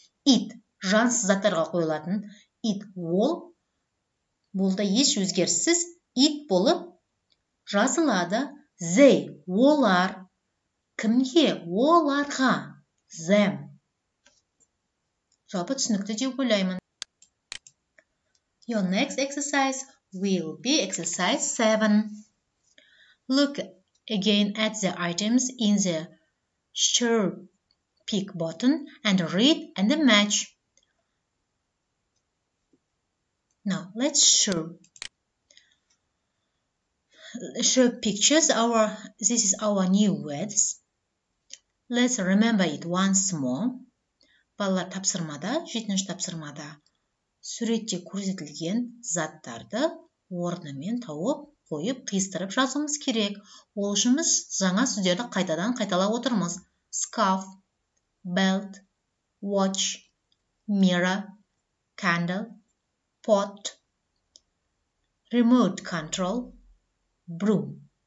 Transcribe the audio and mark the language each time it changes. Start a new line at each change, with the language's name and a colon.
Kazakh: It, жансыз заттарға қойылатын, it, ол. Бұл да еш өзгерсіз it болып жазылады. They, олар, кімге, оларға, them. Жалпы түсінікті деп ойлаймын.
English: Your next exercise will be exercise 7. Look again at the items in the share pick button and read and match. Now, let's show pictures. This is our new words. Let's remember it once more.
Kazakh: Балалар тапсырмада, 7-ші тапсырмада, суретте көрсетілген заттарды орнымен тауып, қойып, қиыстырып жазуымыз керек. Ол жұмыс жаңа сөздерді қайтадан қайталап отырмыз.
English: Scarf, belt, watch, mirror, candle, pot, remote control, broom.